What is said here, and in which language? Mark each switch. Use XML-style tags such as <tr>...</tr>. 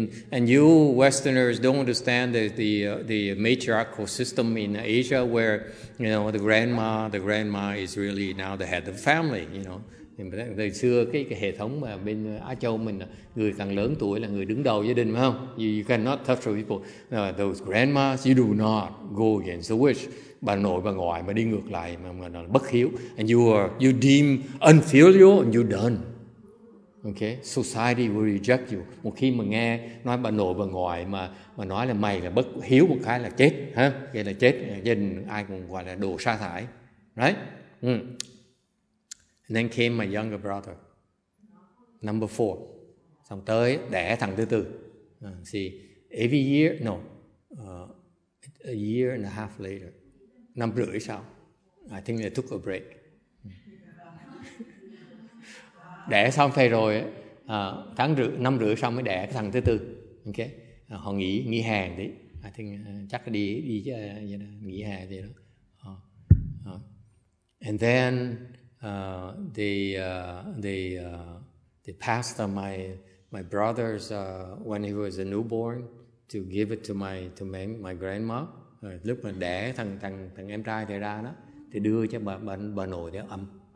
<en>And you Westerners don't understand the matriarchal system in Asia, where you know the grandma is really now the head of the family.</en> <vi>You know, thời xưa cái hệ thống mà bên Á Châu mình, người càng lớn tuổi là người đứng đầu gia đình, phải không?</vi> <en>You cannot touch those people. Those grandmas, you do not go against the wish.</en> <vi>Bà nội bà ngoại mà đi ngược lại mà là bất hiếu.</vi> <en>And you deem unfilial and you're done. Okay, society will reject you.</en> <vi>Một khi mà nghe nói bà nội bà ngoại mà nói là mày là bất hiếu một cái là chết, ha, vậy là chết, gia đình ai cũng gọi là đồ sa thải, right?</vi> <en>And then came my younger brother, number four.</en> <vi>Xong tới đẻ thằng thứ tư.</vi> <en>See, every year, no, a year and a half later,</en> <vi>năm rưỡi sau,</vi> <en>I think they took a break.</en> <vi>Đẻ xong thầy rồi, tháng rưỡi, năm rưỡi xong mới đẻ cái thằng thứ tư. Okay. Họ nghỉ hè đi.</vi> <en>I think</en> <vi>chắc là đi chứ, nghỉ hè gì đó.</vi> <en>And then they passed on my brother's when he was a newborn to give it to my grandma.</en> <vi>Lúc mà đẻ thằng em trai thầy ra đó, thì đưa cho bà nội để ấm.</vi>